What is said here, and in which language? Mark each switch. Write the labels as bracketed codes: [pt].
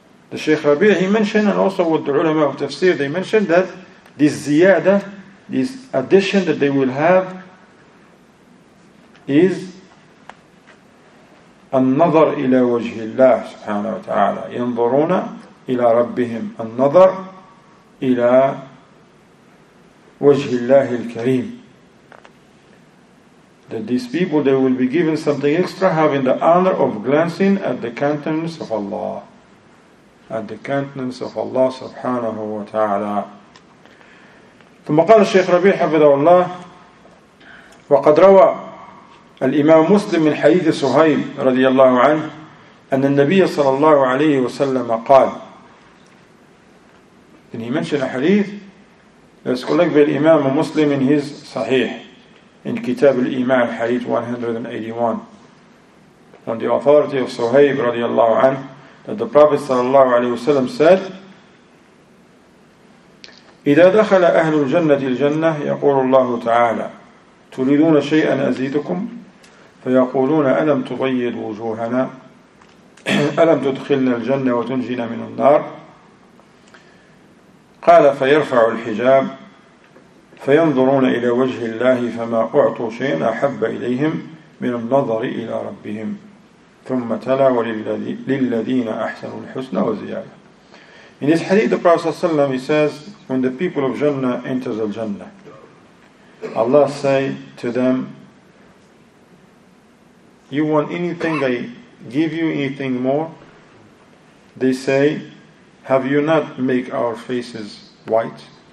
[en] The Shaykh Rabi'i, he mentioned, and also what the ulama of tafsir, they mentioned that this ziyadah, this addition that they will have is [ar] النظر إلى وجه الله سبحانه وتعالى ينظرون إلى ربهم النظر إلى وجه الله الكريم. [en] That these people, they will be given something extra, having the honor of glancing at the countenance of Allah, at the countenance of Allah سبحانه وتعالى. [ar] ثم قال الشيخ ربيع حفظه الله وقد روى الإمام مسلم من حديث سهيل رضي الله عنه أن النبي صلى الله عليه وسلم قال. [en] Then he mentioned a hadith that is collected by Imam Muslim in his Sahih, in Kitab al-Iman, hadith 181, on the authority of Suhayb رضي الله عنه, that the Prophet صلى الله عليه وسلم said, [ar] إِذَا دَخَلَ أَهْلُ الْجَنَّةِ الْجَنَّةِ يَقُولُ اللَّهُ تَعَالَى تُرِيدُونَ شَيْئًا أَزِيدُكُمْ فيقولون ألم تبيض وجوهنا ألم تدخلنا الجنة وتنجينا من النار قال فيرفع الحجاب فينظرون إلى وجه الله فما أعطوا شيئا أحب إليهم من النظر إلى ربهم ثم تلا وللذين أحسنوا الحسنى وزيادة. [en] In this hadith, the Prophet صلى الله عليه وسلم, he says, when the people of Jannah enter the Jannah, Allah say to them, you want anything I give you, anything more? They say, have you not make our faces white?